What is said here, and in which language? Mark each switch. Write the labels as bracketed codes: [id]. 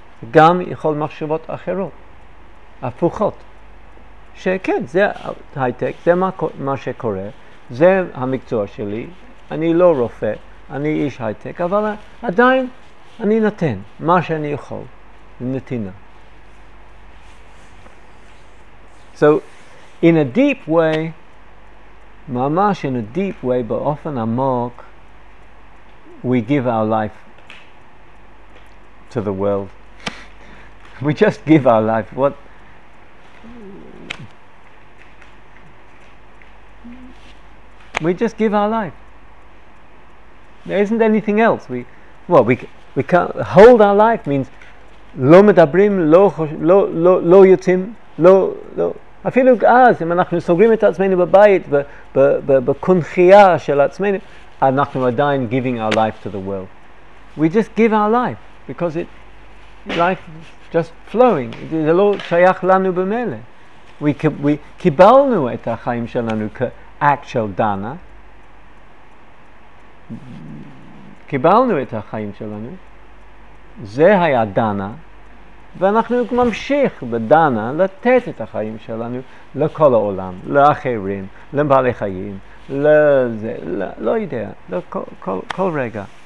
[he] גם יכול מחשבות אחרות, הפוכות. שכן, זה הייטק, זה מה שקורה, זה המקצוע שלי, אני לא רופא, אני איש הייטק, אבל עדיין אני נתן מה שאני יכול, נתינה. [en] So, in a deep way, [he] ממש [en] in a deep way, [he] באופן עמוק, [en] we give our life to the world. We just give our life. We just give our life. There isn't anything else. We can't hold our life means [he] לא מדברים, לא יוצאים, לא אפילו אז, אם אנחנו סוגרים את עצמנו בבית, בקונחייה של עצמנו, אנחנו עדיין [en] giving our life to the world. We just give our life, because life is just flowing. [he] זה לא שייך לנו במילא. [en] We [he] קיבלנו את החיים שלנו כ-act של דנה. קיבלנו את החיים שלנו. זה היה דנה. ואנחנו ממשיך בדנה לתת את החיים שלנו לכל העולם, לאחרים, לבעלי חיים, לזה, לא יודע, לכל רגע.